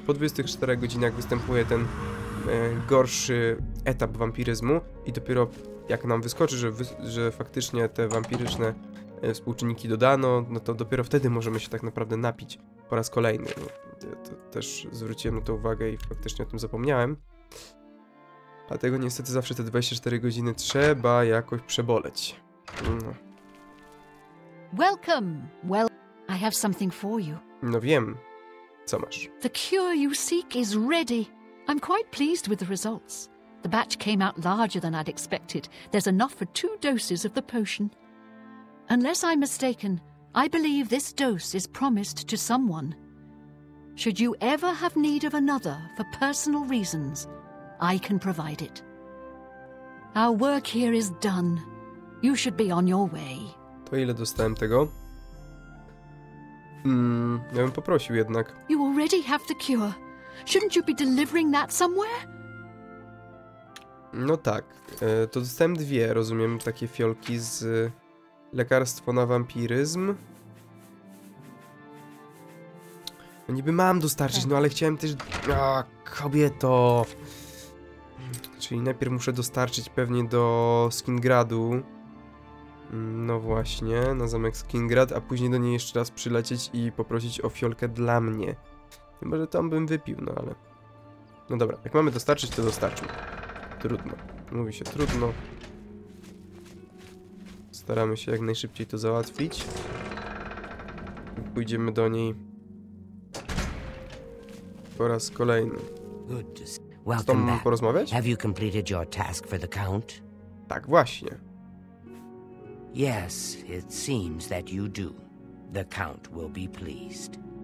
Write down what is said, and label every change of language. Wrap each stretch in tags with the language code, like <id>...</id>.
<pl>Po 24 godzinach występuje ten gorszy etap wampiryzmu i dopiero jak nam wyskoczy, że faktycznie te wampiryczne współczynniki dodano, no to dopiero wtedy możemy się tak naprawdę napić po raz kolejny. No, ja to też zwróciłem na to uwagę i faktycznie o tym zapomniałem. Dlatego niestety zawsze te 24 godziny trzeba jakoś przeboleć. No.</pl> <en>Welcome. Well, I have something for you.</en> <pl>No wiem, co masz.</pl> <en>The cure you seek is ready. I'm quite pleased with the results. The batch came out larger than I'd expected. There's enough for two doses of the potion. Unless I'm mistaken, I believe this dose is promised to someone. Should you ever have need of another for personal reasons, I can provide it. Our work here is done. You should be on your way.</en> <pl>To ile dostałem tego? Ja bym poprosił jednak.</pl> <en>You already have the cure. Shouldn't you be delivering that somewhere?</en> <pl>No tak. To dostałem dwie, rozumiem, takie fiolki z... Lekarstwo na wampiryzm. No niby mam dostarczyć, no ale chciałem też... A, kobieto! Czyli najpierw muszę dostarczyć pewnie do Skingradu. No właśnie, na zamek Skingrad, a później do niej jeszcze raz przylecieć i poprosić o fiolkę dla mnie. Chyba, że tam bym wypił, no ale... No dobra, jak mamy dostarczyć, to dostarczmy. Trudno. Mówi się trudno. Staramy się jak najszybciej to załatwić. Pójdziemy do niej po raz kolejny. Chcą porozmawiać?</pl> <en>Have you completed your task for the count?</en> <pl>Tak, właśnie.</pl> <en>Yes, it seems that you do. The count will be pleased.</en>